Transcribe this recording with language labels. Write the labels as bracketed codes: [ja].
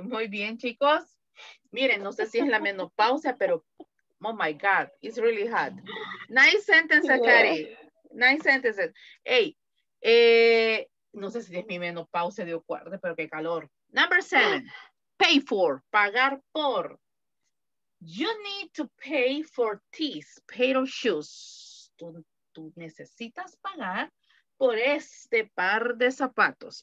[es] Muy bien, chicos. Miren, no sé si es la menopausia, pero [en] oh my God, it's really hot. Nice sentence, Kari. Yeah. Nice sentences. [es] Hey, no sé si es mi menopausia de acuerdo, pero qué calor. [en] Number 7, pay for, [es] pagar por. [en] You need to pay for this pair of shoes. [es] Tú necesitas pagar por este par de zapatos.